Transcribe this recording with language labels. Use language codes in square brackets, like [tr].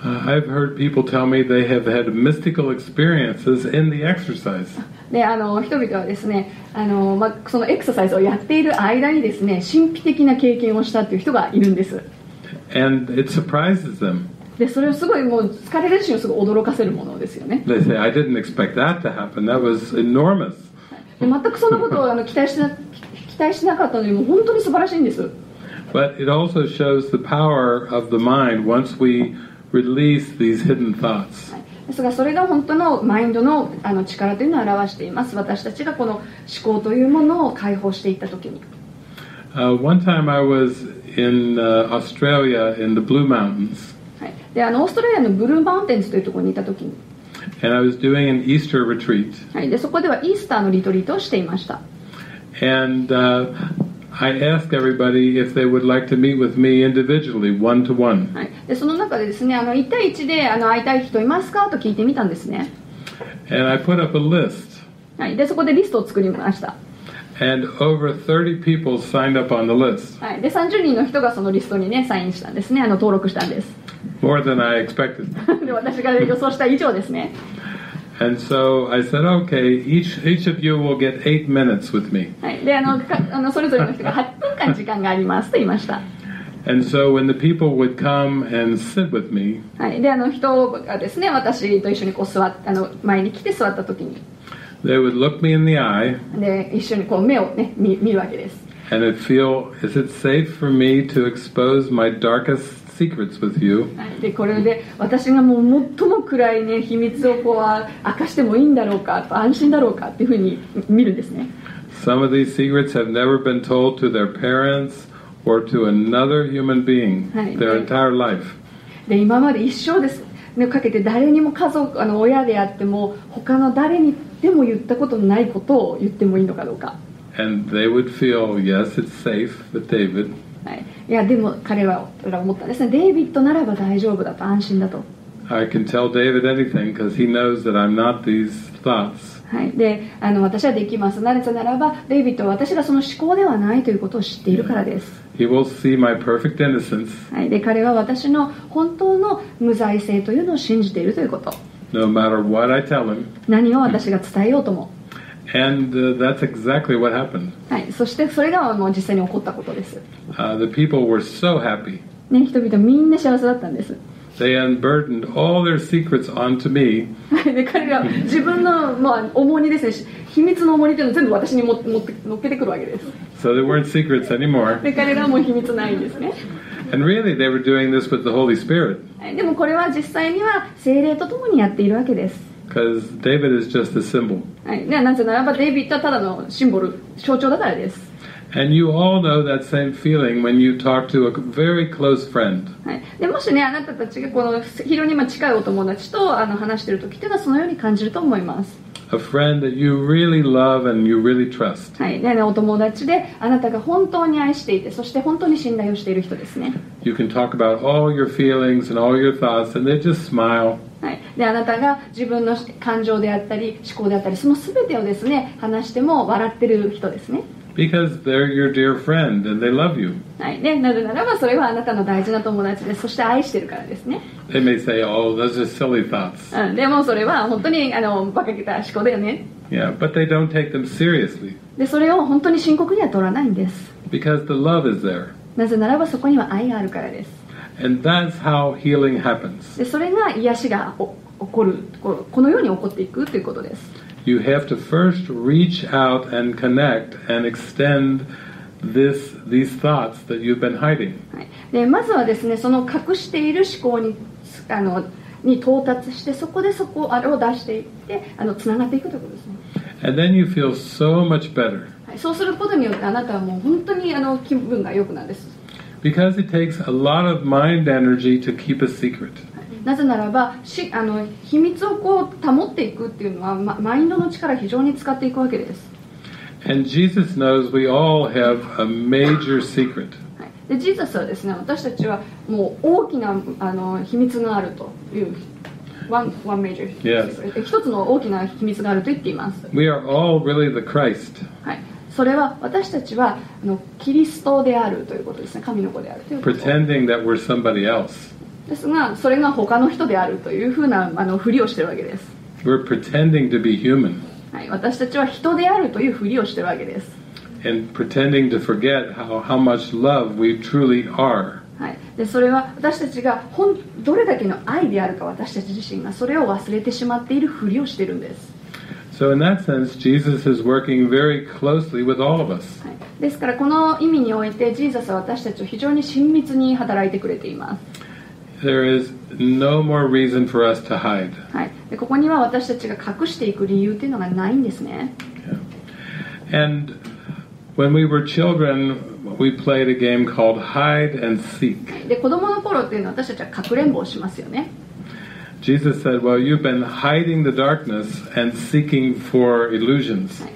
[en] I've heard people tell me they have had mystical experiences in the exercise. [ja] で、人々はですね、そのエクササイズをやっている間にですね、神秘的な経験をしたという人がいるんです。 [en] And it surprises them. [ja] で、それをすごいもう疲れるし、すごい驚かせるものですよね。 [en] They say, I didn't expect that to happen. That was enormous. [ja] で、全くそんなことを期待しなかったのにも本当に素晴らしいんです。 [en] But it also shows the power of the mind once we release these hidden thoughts. [ja] ですがそれが本当のマインド の力というのを表しています。私たちがこの思考というものを解放していった時に、 [en] one time I was in Australia in the Blue Mountains、 [ja] はい、でオーストラリアのブルーマウンテンズというところにいた時に、 [en] and I was doing an Easter retreat、 [ja] はい、でそこではイースターのリトリートをしていました。 [en] and、I asked everybody if they would like to meet with me individually, one to one. [ja] はい。その中でですね、一対一で会いたい人いますかと聞いてみたんですね。 [en] And I put up a list. [ja] はい。で、そこでリストを作りました。 [en] And over 30 people signed up on the list. [ja] はい。で、30人の人がそのリストにね、サインしたんですね、登録したんです。 [en] More than I expected. [ja] で、私が予想した以上ですね。 [en] And so I said, okay, each of you will get 8 minutes with me. [ja] それぞれの人が8分間時間がありますと言いました。 [en] And so when the people would come and sit with me, [ja] 人がですね、私と一緒にこう座っ、前に来て座った時に、 [en] they would look me in the eye, [ja] で一緒にこう目をね、見るわけです。 [en] And it feel, is it safe for me to expose my darkest secrets with you? [ja] でこれで私がもう最も暗いね、秘密をこう明かしてもいいんだろうか、安心だろうかっていうふうに見るんですね。 [en] Some of these secrets have never been told to their parents or to another human being their entire life. [ja] で今まで一生ですね、かけて誰にも家族、親であっても他の誰にでも言ったことのないことを言ってもいいのかどうか。 [en] And they would feel, yes, it's safe with David. [ja] はい。いやでも彼は思ったんですね。デイビッドならば大丈夫だと、安心だと。 [en] I can tell David anything because he knows that I'm not these thoughts. [ja] はい。で、私はできます。なぜならば、デイビッドは私がその思考ではないということを知っているからです。 [en] He will see my perfect innocence. [ja] はい。で、彼は私の本当の無罪性というのを信じているということ。 [en] No matter what I tell him. [ja] 何を私が伝えようとも。 [en] And that's exactly what happened. [ja] はい、そしてそれがもう実際に起こったことです。 [en] The people were so happy. [ja] ね、人々みんな幸せだったんです。 [en] They unburdened all their secrets onto me. [ja] で、彼ら自分の、重荷ですね、秘密の重荷というのを全部私に乗っけてくるわけです。 [en] So they weren't secrets anymore. [ja] で、彼らも秘密ないんですね。 [en] And really, they were doing this with the Holy Spirit. [ja] でもこれは実際には聖霊とともにやっているわけです。 [en] Because David is just a symbol. [ja] なぜならば、デイビッドはただのシンボル、象徴だからです。 [en] And you all know that same feeling when you talk to a very close friend. [ja] はい。で、もしね、あなたたちがこの非常に近いお友達と話しているときというのはそのように感じると思います。 [en] A friend that you really love and you really trust. [ja] はい。ね、お友達であなたが本当に愛していて、そして本当に信頼をしている人ですね。 [en] You can talk about all your feelings and all your thoughts and they just smile. [ja] で、あなたが自分の感情であったり思考であったりその全てをですね話しても笑ってる人ですね。 [en] Because they're your dear friend and they love you. [ja] はい、ね、なぜならばそれはあなたの大事な友達でそして愛してるからですね。 [en] They may say, oh, those are silly thoughts. [ja] でもそれは本当にバカげた思考だよね。 [en] Yeah, but they don't take them seriously. [ja] で、それを本当に深刻には取らないんです。 [en] Because the love is there. [ja] なぜならばそこには愛があるからです。 [en] And that's how healing happens. [ja] で、それが癒しが起こる、このように起こっていくということです。 [en] You have to first reach out and connect and extend these thoughts that you've been hiding. [ja] はい。で、まずはですね、その隠している思考に、に到達して、そこでそこをあれを出していって、つながっていくということですね。 [en] And then you feel so much better. [ja] はい。そうすることによって、あなたはもう本当に気分が良くなるんです。 [en] Because it takes a lot of mind energy to keep a secret. [ja] なぜならば、秘密をこう保っていくっていうのは、マインドの力を非常に使っていくわけです。 [en] And Jesus knows we all have a major secret. [ja] で、ジーザスはですね、私たちはもう大きな秘密があるという。 [en] one major yes. secret. [ja] 一つの大きな秘密があると言っています。 [en] We are all really the Christ. [ja] はい。それは私たちはキリストであるということですね。神の子であるということ。 [en] Pretending that we're somebody else. [ja] ですが、それが他の人であるというふうなふりをしているわけです。 [en] We're pretending to be human. [ja] はい。私たちは人であるというふりをしているわけです。 [en] And pretending to forget how much love we truly are. [ja] はい、でそれは私たちがどれだけの愛であるか私たち自身がそれを忘れてしまっているふりをしているんです。 [en] So in that sense, Jesus is working very closely with all of us. [ja] はい、ですからこの意味においてジーザスは私たちを非常に親密に働いてくれています。 [en] There is no more reason for us to hide. [ja] はい、でここには私たちが隠していく理由というのがないんですね。 [en] Yeah. And when we were children,We played a game called hide and seek. [ja] で、子供の頃っていうのは私たちは隠れんぼをしますよね。 [en] Jesus said, "Well, you've been hiding the darkness and seeking for illusions."